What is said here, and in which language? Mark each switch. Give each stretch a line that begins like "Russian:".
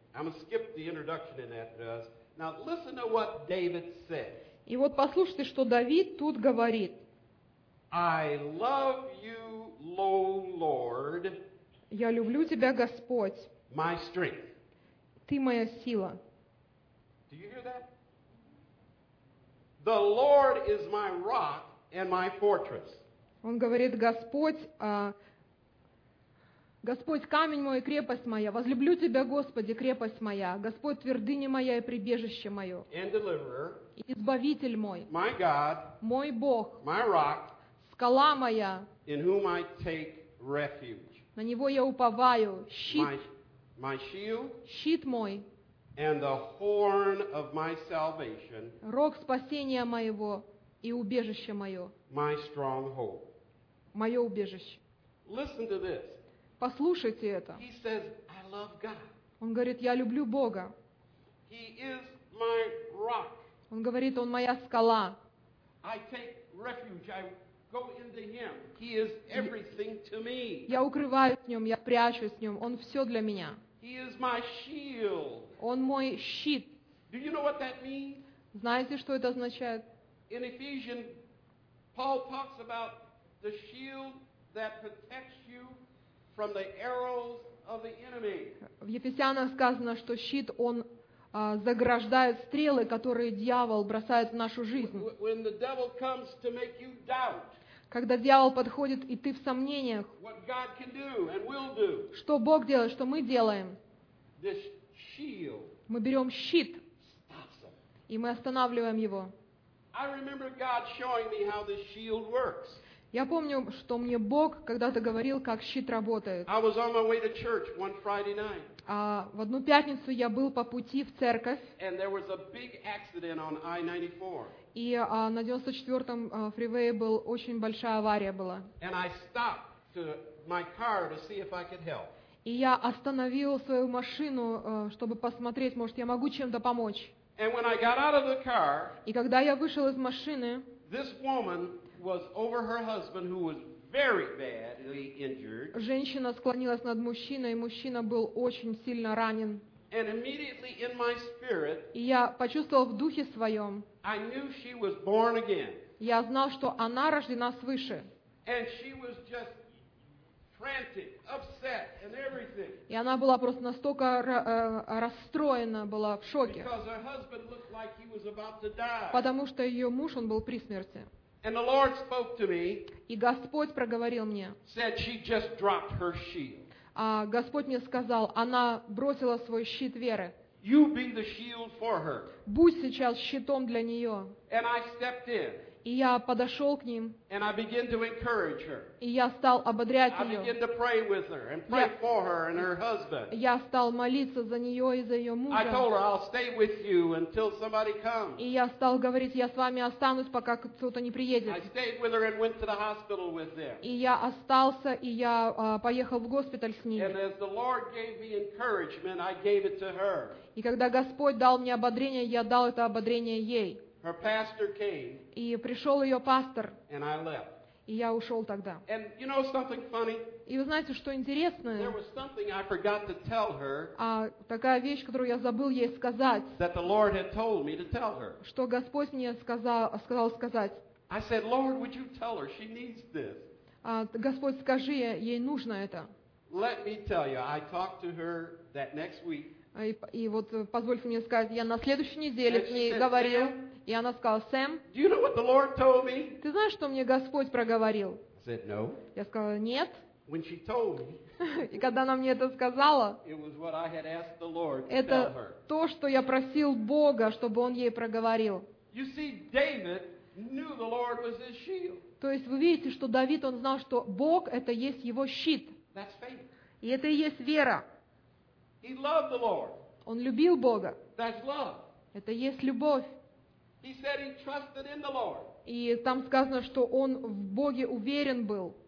English: I'm going to skip the introduction in that verse. Now listen to what David said.
Russian: И вот послушайте, что Давид тут говорит.
English: I love you, Lord.
Russian: Я люблю тебя, Господь.
English: My strength.
Russian: Ты моя сила.
English: Do you hear that? The Lord is my rock and my fortress.
Russian: Он говорит, Господь, камень мой, крепость моя. Возлюблю тебя, Господи, крепость моя. Господь, твердыня моя и прибежище мое.
English: And deliverer,
Russian: избавитель мой.
English: My God,
Russian: мой Бог.
English: My rock,
Russian: скала моя.
English: In whom I take refuge.
Russian: На него я уповаю. Щит,
English: my shield,
Russian: щит мой.
English: And the horn of my salvation,
Russian: рог спасения моего и убежище мое.
English: My strong hope.
Russian: мое убежище.
English: Listen to this.
Russian: Послушайте это.
English: He says, I love God.
Russian: Он говорит, я люблю Бога.
English: He is my rock.
Russian: Он говорит, он моя скала.
English: I take refuge. I go into him. He is everything to me.
Russian: Я укрываюсь в нем, я прячусь в нем. Он все для меня.
English: He is my shield.
Russian: Он мой щит.
English: Do you know what that means?
Russian: Знаете, что это означает?
English: In Ephesians, Paul talks about the shield that protects you from the arrows of the enemy.
Russian: В Ефесянах сказано, что щит он заграждает стрелы, которые дьявол бросает в нашу жизнь.
English: When the devil comes to make you doubt.
Russian: Когда дьявол подходит, и ты в сомнениях,
English: what God can do and will do.
Russian: Что Бог делает, что мы делаем,
English: this shield.
Russian: Мы берем щит, и мы останавливаем его.
English: I remember God showing me how this shield works.
Russian: Я помню, что мне Бог когда-то говорил, как щит работает.
English: I was on my way to church one Friday night.
Russian: В одну пятницу я был по пути в церковь.
English: And there was a big accident on I-94.
Russian: И на 94-м фривее был очень большая авария была.
English: And I stopped to my car to see if I could help.
Russian: И я остановил свою машину, чтобы посмотреть, может, я могу чем-то помочь.
English: And when I got out of the car,
Russian: и когда я вышел из машины,
English: this woman was over her husband, who was very badly injured.
Russian: Женщина склонилась над мужчиной, и мужчина был очень сильно ранен.
English: And immediately in my spirit,
Russian: и я почувствовал в духе своем,
English: I knew she was born again.
Russian: Я знал, что она рождена свыше.
English: And she was just frantic, upset, and everything.
Russian: И она была просто настолько расстроена, была в шоке.
English: Because her husband looked like he was about to die.
Russian: Потому что ее муж, он был при смерти.
English: And the Lord spoke to me.
Russian: И Господь проговорил мне.
English: Said she just dropped her shield.
Russian: Господь мне сказал, она бросила свой щит веры.
English: You be the shield for her.
Russian: Будь сейчас щитом для нее.
English: And I stepped in.
Russian: И я подошел к ним.
English: And I began to encourage her.
Russian: И я стал ободрять ее.
English: I began to pray with her and pray for her and her husband.
Russian: Я стал молиться за нее и за ее мужа.
English: I told her I'll stay with you until somebody comes.
Russian: И я стал говорить, я с вами останусь, пока кто-то не приедет.
English: I stayed with her and went to the hospital with them.
Russian: И я остался, и я поехал в госпиталь с ними.
English: And as the Lord gave me encouragement, I gave it to her.
Russian: И когда Господь дал мне ободрение, я дал это ободрение ей.
English: Her pastor came.
Russian: И пришел ее пастор.
English: And I left.
Russian: И я ушел тогда.
English: And you know something funny?
Russian: И вы знаете, что интересное?
English: There was something I forgot to tell her.
Russian: Такая вещь, которую я забыл ей сказать.
English: That the Lord had told me to tell her.
Russian: Что Господь мне сказал сказать.
English: I said, Lord, would you tell her she needs this?
Russian: Господь, скажи ей, нужно это.
English: Let me tell you, I talked to her that next week.
Russian: И вот позвольте мне сказать, я на следующей неделе с ней говорил. И она сказала, Сэм,
English: do you know what the Lord told me?
Russian: Ты знаешь, что мне Господь проговорил?
English: I said, no.
Russian: Я сказала, нет.
English: When she told me,
Russian: и когда она мне это сказала,
English: it was what I had asked the Lord to
Russian: это
English: tell her.
Russian: То, что я просил Бога, чтобы Он ей проговорил.
English: You see, David knew the Lord was his shield.
Russian: То есть вы видите, что Давид, он знал, что Бог — это есть его щит.
English: That's faith.
Russian: И это и есть вера.
English: He loved the Lord.
Russian: Он любил Бога.
English: That's love.
Russian: Это есть любовь.
English: He said he trusted in the Lord.
Russian: И там сказано, что он в Боге уверен был.